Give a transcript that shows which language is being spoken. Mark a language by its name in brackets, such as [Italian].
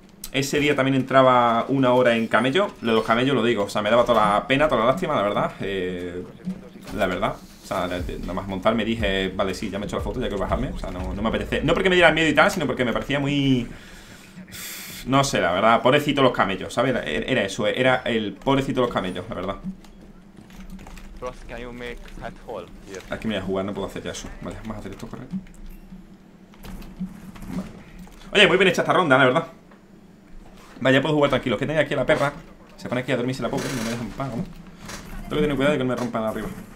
[Spanish] Ese día también entraba una hora en camello. Lo de los camellos lo digo, o sea, me daba toda la pena, toda la lástima, la verdad. La verdad, o sea, nada más montar me dije, vale, sí, ya me he hecho la foto, ya quiero bajarme. O sea, no me apetece, no porque me diera miedo y tal, sino porque me parecía muy... No sé, la verdad, pobrecito los camellos, ¿sabes? Era eso, era el pobrecito los camellos, la verdad. [English] Frost, can you make that hole here? [Spanish] Aquí me voy a jugar, no puedo hacer ya eso. Vale, vamos a hacer esto correcto. Vale. Oye, muy bien hecha esta ronda, la verdad. Vale, ya puedo jugar tranquilo. Que tenga aquí a la perra. Se pone aquí a dormirse la pobre, no me dejan pago. Tengo que tener cuidado de que no me rompan arriba.